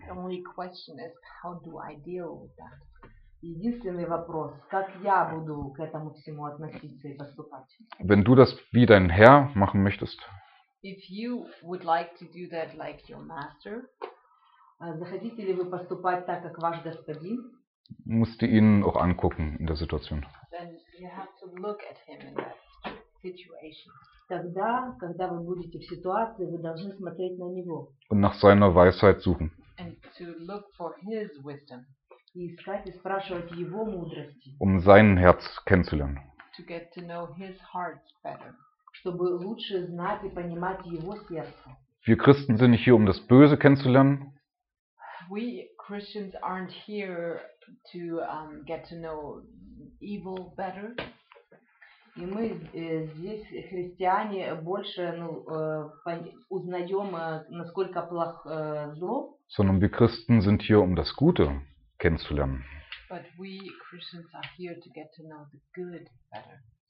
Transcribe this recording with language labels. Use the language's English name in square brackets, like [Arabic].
[English] The only question is, how do I deal with that? [Russian] Единственный вопрос, как я буду к этому всему относиться и поступать? [German] Wenn du das wie dein Herr machen möchtest. [English] If you would like to do that like your master, [Russian] захотите ли вы поступать так, как ваш господин? [German] Musst ihr ihn auch angucken in der Situation. [English] Then you have to look at him in that situation. [Russian] Тогда, когда вы будете в ситуации, вы должны смотреть на него. [German] Und nach seiner Weisheit suchen. [English] And to look for his wisdom. [Russian] И искать и спрашивать его мудрости. [German] Um sein Herz kennenzulernen. [English] To get to know his heart better. [Russian] Чтобы лучше знать и понимать его сердце. [German] Wir Christen sind nicht hier, um das Böse kennenzulernen. [English] We Christians aren't here to get to know evil better. [Russian] И мы здесь христиане больше узнаем, насколько плохо зло. [German] Sondern wir Christen sind hier, um das Gute kennenzulernen. [English] But we Christians are here to get to know the good better.